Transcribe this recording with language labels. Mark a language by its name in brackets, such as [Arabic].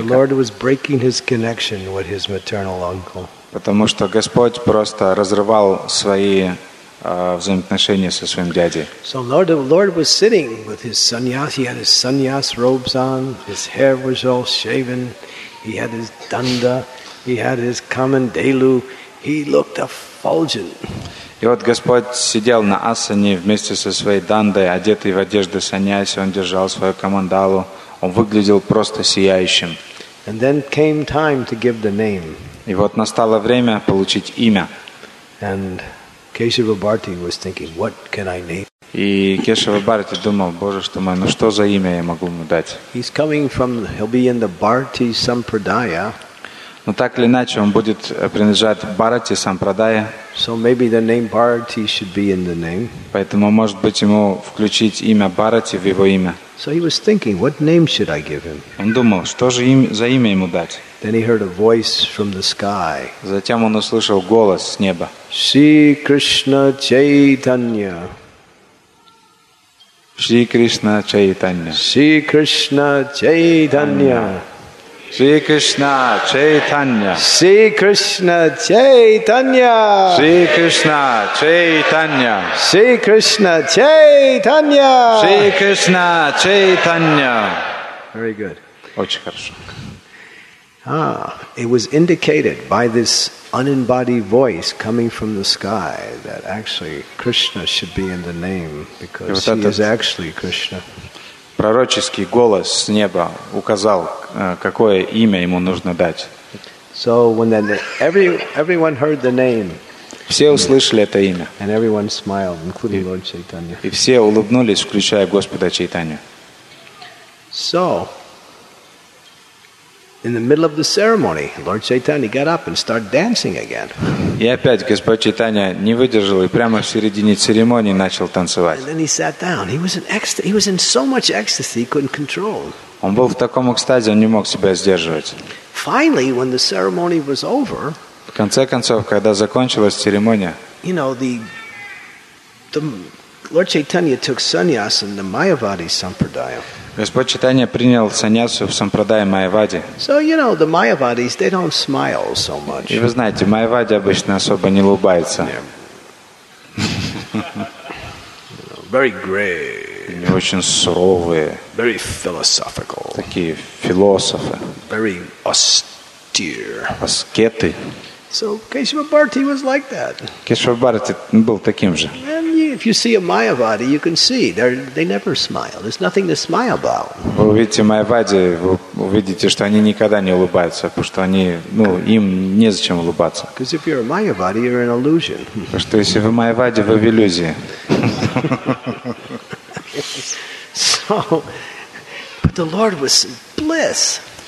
[English] The Lord was breaking his connection with his maternal uncle. [Russian] Потому что Господь просто разрывал свои взаимоотношения со своим дядей. [English] So Lord was sitting with his sannyas. He had his sannyas robes on. His hair was all shaven. He had his danda. He had his common delu. He looked effulgent. [Russian] И вот Господь сидел на асане вместе со своей дандой, одетый в одежды саньяси. Он держал свою камандалу. Он выглядел просто сияющим. [English] And then came time to give the name. [Russian] И вот настало время получить имя. [English] And Keshava Bharti was thinking, what can I name? [Russian] И Кешава Бхарати думал, Боже, что мой, ну что за имя я могу ему дать? [English] He's coming from. He'll be in the Bharti Sampradaya. [Russian] Но так или иначе, он будет принадлежать Бхарати Сампрадая. [English] So maybe the name Bharati should be in the name. [Russian] Поэтому, может быть, ему включить имя Бхарати в его имя. [English] So he was thinking, what name should I give him? [Russian] Он думал, что же за имя ему дать. [English] Then he heard a voice from the sky. [Russian] Затем он услышал голос с неба. Шри Кришна Чайтанья. Шри Кришна Чайтанья. Шри Кришна Чайтанья. [English] Shri Krishna Chaitanya. Shri Krishna Chaitanya. Shri Krishna Chaitanya. Shri Krishna Chaitanya. Shri Krishna Chaitanya. Very good. [Russian] Очень хорошо. [English] Ah, it was indicated by this unembodied voice coming from the sky that actually Krishna should be in the name because he is actually Krishna. [Russian] Пророческий голос с неба указал, какое имя ему нужно дать. [English] So when everyone heard the name, [Russian] все услышали это имя. [English] And everyone smiled, including Lord Chaitanya. [Russian] И все улыбнулись, включая Господа Чайтанью. [English] So in the middle of the ceremony, Lord Chaitanya got up and started dancing again. [Russian] И опять Господь Чайтанья не выдержал и прямо в середине церемонии начал танцевать. [English] And then he sat down. He was in so much ecstasy, he couldn't control. [Russian] Он был в таком экстазе, он не мог себя сдерживать. [English] Finally, when the ceremony was over, [Russian] в конце концов, когда закончилась церемония, [English] you know, the Lord Chaitanya took sannyas in the Mayavadi Sampradaya. [Russian] Господь Чайтанья принял саньясу в сампрадае Майявади. [English] So you know the Mayavadis, they don't smile so much. [Russian] И вы знаете, Майявади обычно особо не улыбаются. [English] Very grave. [Russian] Они очень суровые. [English] Very philosophical. [Russian] Такие философы. [English] Very austere. [Russian] Аскеты. [English] So Keshava Bharati was like that. [Russian] Keshava Bharati был таким же. [English] If you see a Mayavadi, you can see they never smile. There's nothing to smile about. [Russian] Вы увидите Майявади, вы увидите, что они никогда не улыбаются, потому что они, ну, им не зачем улыбаться. [English] Because if you're a Mayavadi, you're an illusion. [Russian] Потому что если вы Майявади, вы в иллюзии. [English] So, but the Lord was in bliss.